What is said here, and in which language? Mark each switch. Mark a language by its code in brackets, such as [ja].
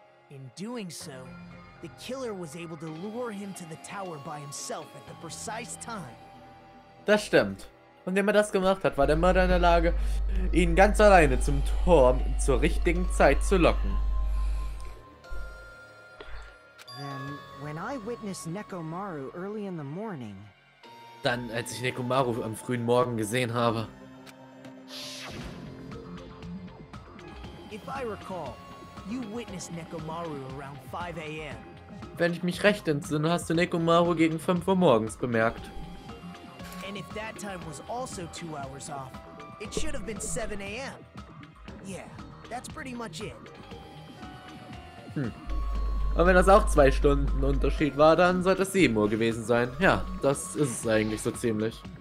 [en] In doing so, the killer was able to lure him to the tower by himself at the precise time. [de] Das stimmt. Und indem er das gemacht hat, war der Mörder in der Lage, ihn ganz alleine zum Turm zur richtigen Zeit zu locken. [en] When I witnessed Nekomaru early in the morning. [de] Dann, als ich Nekomaru am frühen Morgen gesehen habe. [en] If I recall, you witnessed Nekomaru around 5 a.m. [de] Wenn ich mich recht entsinne, hast du Nekomaru gegen 5 Uhr morgens bemerkt. [en] And if that time was also 2 hours off, it should have been 7 a.m. Yeah, that's pretty much it. [de] Und wenn das auch 2 Stunden Unterschied war, dann sollte es 7 Uhr gewesen sein. Ja, das ist es eigentlich so ziemlich.